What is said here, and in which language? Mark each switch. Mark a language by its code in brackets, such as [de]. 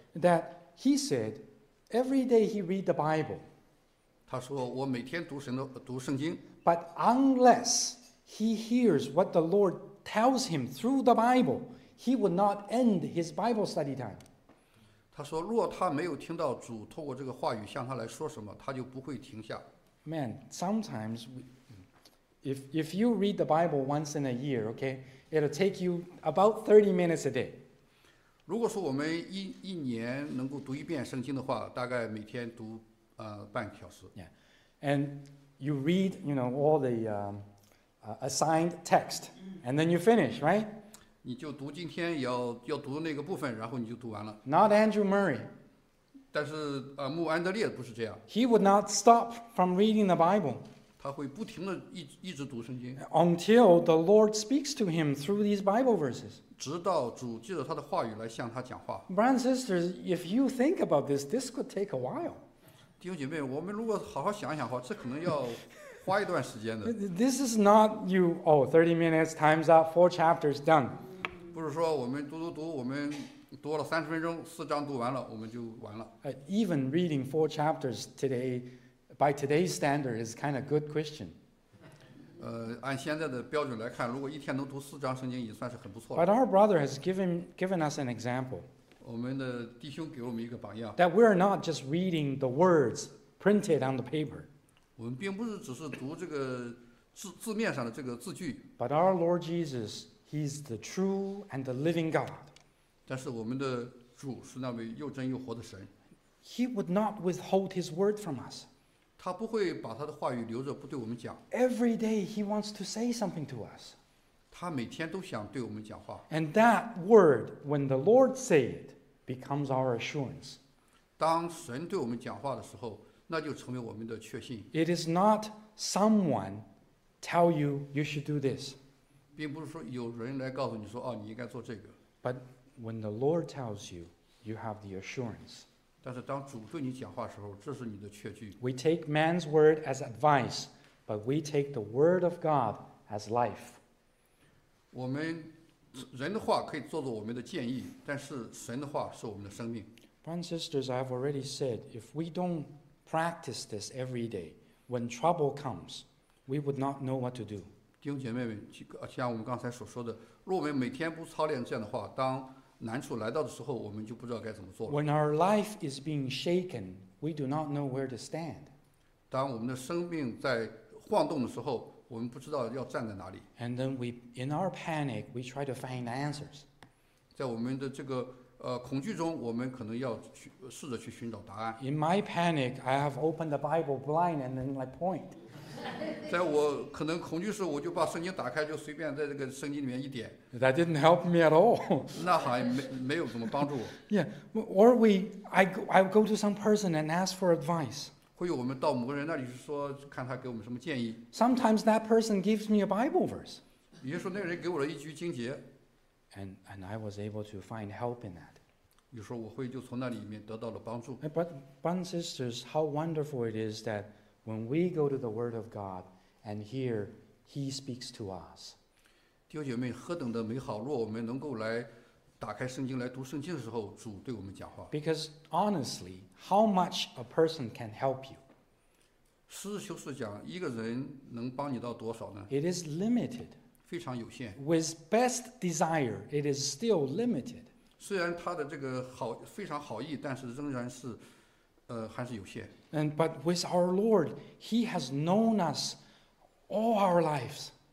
[en] That he said every day he read the Bible. [zh] 他说我每天读圣经。 [en] But unless he hears what the Lord tells him through the Bible, he would not end his Bible study time. [zh] 他说若他没有听到主透过这个话语向他来说什么，他就不会停下。 [en] Man, sometimes, if you read the Bible once in a year, okay, it'll take you about 30 minutes a day. [zh] 如果说我们一年能够读一遍圣经的话，大概每天读半小时。 [en] Yeah, and you read, you know, all the assigned text, and then you finish, right? [zh] 你就读今天要读那个部分，然后你就读完了。 [en] Not Andrew Murray. [zh] 但是穆安德烈不是这样。 [en] He would not stop from reading the Bible. [zh] 他会不停地一直读圣经。 [en] Until the Lord speaks to him through these Bible verses. [zh] 直到主借着他的话语来向他讲话。 [en] Brothers and sisters, if you think about this, this could take a while. [zh] 弟兄姐妹，我们如果好好想一想的话，这可能要花一段时间的。 [en] This is not you. Oh, 30 minutes, time's up, four chapters done. [zh] 不是说我们读我们。多了三十分钟，四章读完了，我们就完了。 [en] Even reading four chapters today, by today's standard, is kind of good Christian. [zh] 按现在的标准来看，如果一天能读四章圣经，已经算是很不错了。 [en] But our brother has given us an example. [zh] 我们的弟兄给我们一个榜样。 [en] That we're not just reading the words printed on the paper. [zh] 我们并不是只是读这个字面上的这个字句。 [en] But our Lord Jesus, He's the true and the living God. [zh] 但是我们的主是那位又真又活的神。 [en] He would not withhold his word from us. [zh] 他不会把他的话语留着不对我们讲。 [en] Every day he wants to say something to us. [zh] 他每天都想对我们讲话。 [en] And that word, when the Lord says it, becomes our assurance. [zh] 当神对我们讲话的时候，那就成为我们的确信。 [en] It is not someone tell you you should do this. [zh] 并不是说有人来告诉你说，哦，你应该做这个。 [en] But When the Lord tells you, you have the assurance. [zh] 但是当主对你讲话的时候，这是你的确据。 [en] We take man's word as advice, but we take the word of God as life. [zh] 我们人的话可以做做我们的建议，但是神的话是我们的生命。 [en] Brothers and sisters, I have already said, if we don't practice this every day, when trouble comes, we would not know what to do. [zh] 弟兄姐妹们，像我们刚才所说的，若我们每天不操练这样的话，当难处来到的时候，我们就不知道该怎么做了。 [en] When our life is being shaken, we do not know where to stand. [zh] 当我们的生命在晃动的时候，我们不知道要站在哪里。 [en] And then we, in our panic, we try to find the answers. [zh] 在我们的这个恐惧中，我们可能要试着去寻找答案。 [en] In my panic, I have opened the Bible blind and then I point. [zh] 在我可能恐惧时，我就把圣经打开，就随便在这个圣经里面一点。 [en] That didn't help me at all. [zh] 那好像没有怎么帮助我。 [en] Yeah, or I go to some person and ask for advice. [zh] 会有我们到某个人那里去说，看他给我们什么建议。 [en] Sometimes that person gives me a Bible verse. [zh] 也就是说，那个人给我了一句经节。 [en] And I was able to find help in that. [zh] 有时候我会就从那里面得到了帮助。 [en] But brothers and sisters, how wonderful it is that when we go to the Word of God and hear He speaks to us. [zh] 弟兄姐妹，何等的美好！若我们能够来打开圣经来读圣经的时候，主对我们讲话。 [en] Because honestly, how much a person can help you? [zh] 实事求是讲，一个人能帮你到多少呢？ [en] It is limited. [zh] 非常有限。 [en] With best desire, it is still limited. [zh] 虽然他的这个好非常好意，但是仍然是，还是有限。 [en] And but with our Lord, He has known us all our lives.